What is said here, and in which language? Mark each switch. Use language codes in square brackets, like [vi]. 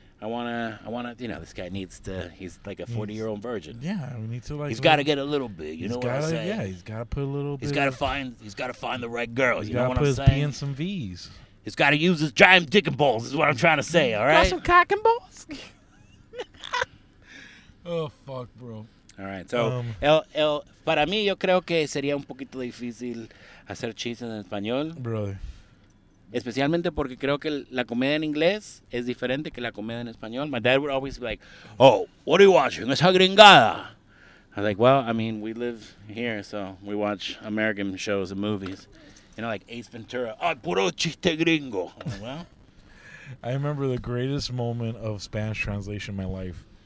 [en] I want to, you know, this guy needs to, he's like a 40-year-old virgin. Yeah, we need to like. He's got to get a little big, you know what I'm saying? Yeah, he's got to put a little bit. He's got to find the right girl, you know what I'm saying? He's got to put his P in some V's. He's got to use his giant dick and balls is what I'm trying to say, all right? Got some cock and balls? Oh, fuck, bro. All right, so, [es] para mí, yo creo que sería un poquito difícil hacer chistes en español. [en] Brother. [es] Especialmente porque creo que la comedia en inglés es diferente que la comedia en español. [en] My dad would always be like, oh, what are you watching? [es] Esa gringada. [en] I was like, well, I mean, we live here, so we watch American shows and movies. You know, like Ace Ventura. [es] Ah, puro chiste gringo. [en] Like, well, I remember the greatest moment of Spanish translation in my life.